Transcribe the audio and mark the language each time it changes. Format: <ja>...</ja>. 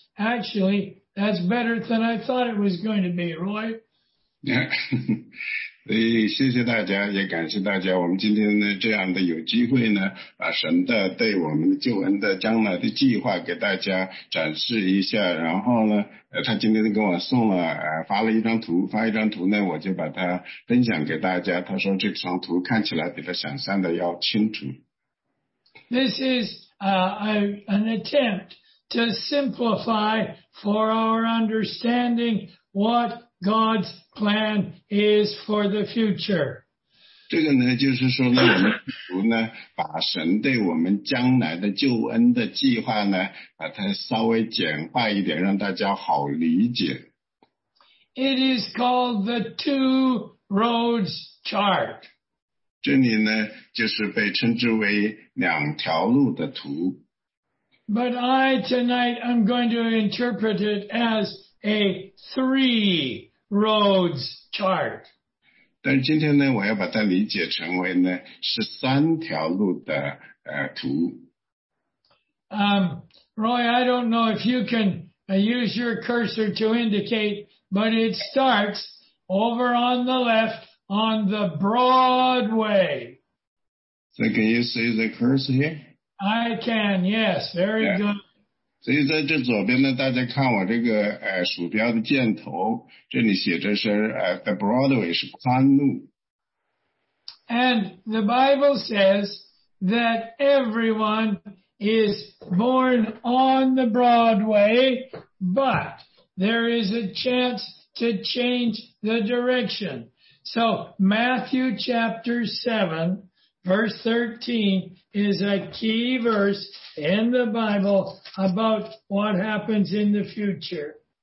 <en>Actually, that's better than I thought it was going to be, Roy. Yeah.</en> <zh>所以谢谢大家，也感谢大家，我们今天呢这样的有机会呢，把神的对我们的救恩的将来的计划给大家展示一下。然后呢，他今天给我送了发了一张图，发一张图呢，我就把它分享给大家。他说这张图看起来比他想象的要清楚。</zh> <en>This is an attempt to simplify for our understanding what God's plan is for the future.</en> <zh>这个呢就是说呢，我们读呢把神对我们将来的救恩的计划呢把它稍微简化一点，让大家好理解。</zh> <en>It is called the two roads chart.</en> <zh>这里呢就是被称之为两条路的图。</zh> <en>But I tonight I'm going to interpret it as a three roads chart.</en> <zh>但今天呢，我要把它理解成为呢是三条路的图。</zh> <en>Roy, I don't know if you can use your cursor to indicate, but it starts over on the left on the Broadway. So can you see the cursor here? I can, yes. Very yeah. good.</en> <zh>所以在这左边呢，大家看我这个鼠标的箭头，这里写着是the Broadway 是宽路。</zh> <en>And the Bible says that everyone is born on the Broadway, but there is a chance to change the direction. So Matthew chapter 7, verse 13 is a key verse in the Bible about what happens in the future.</en>